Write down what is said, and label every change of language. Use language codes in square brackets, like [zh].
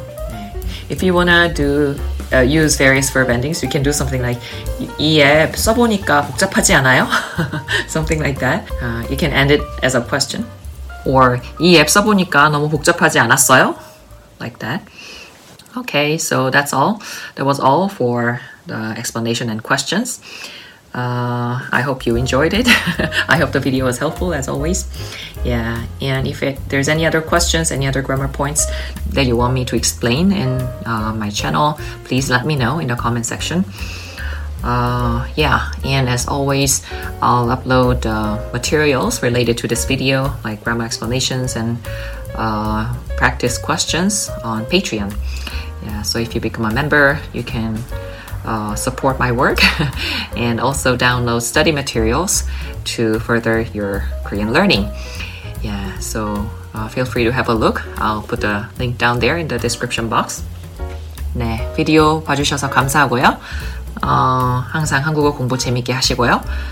[ko] 네. [en] If you wanna do use various verb endings, you can do something like [ko] 이 앱 써보니까 복잡하지 않아요? [en] Something like that. You can end it as a question. [ko] Or 이 앱 써보니까 너무 복잡하지 않았어요? [en] Like that. Okay, so that's all. That was all for the explanation and questions. I hope you enjoyed it. I hope the video was helpful as always. Yeah, and if there's any other questions, any other grammar points that you want me to explain in my channel, please let me know in the comment section. Yeah, and as always, I'll upload the materials related to this video, like grammar explanations and practice questions on Patreon. Yeah, so if you become a member, you can support my work and also download study materials to further your Korean learning. Yeah, so feel free to have a look. I'll put the link down there in the description box. [ko] 네, 비디오 봐주셔서 감사하고요. 항상 한국어 공부 재밌게 하시고요.